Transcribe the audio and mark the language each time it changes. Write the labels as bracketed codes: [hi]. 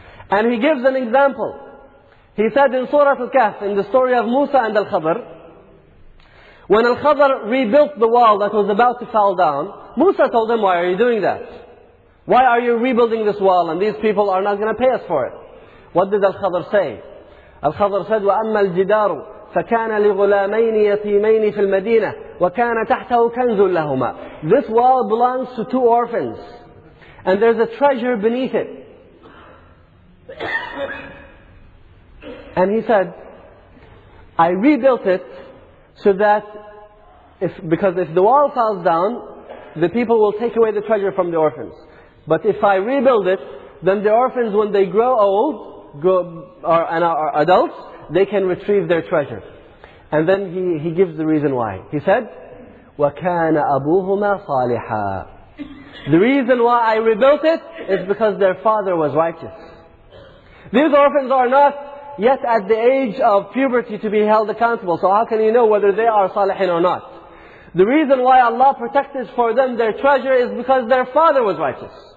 [en] And he gives an example. He said in Surah Al-Kahf, in the story of Musa and Al-Khadr, when Al-Khadr rebuilt the wall that was about to fall down, Musa told him, why are you doing that? Why are you rebuilding this wall and these people are not going to pay us for it? What did Al-Khadr say? Al-Khadr said, [ar] وَأَمَّا الْجِدَارُ فَكَانَ لِغُلَامَيْنِ يَتِيمَيْنِ فِي الْمَدِينَةِ وَكَانَ تَحْتَهُ كَنْزٌ لَهُمَا. [en] This wall belongs to two orphans. And there's a treasure beneath it. And he said, I rebuilt it so that, because if the wall falls down, the people will take away the treasure from the orphans. But if I rebuild it, then the orphans, when they grow old, and are adults, they can retrieve their treasure. And then he gives the reason why. He said, [ar] وَكَانَ أَبُوهُمَا صَالِحًا. [en] The reason why I rebuilt it is because their father was righteous. These orphans are not yet at the age of puberty to be held accountable. So how can you know whether they are salihin or not? The reason why Allah protected for them their treasure is because their father was righteous.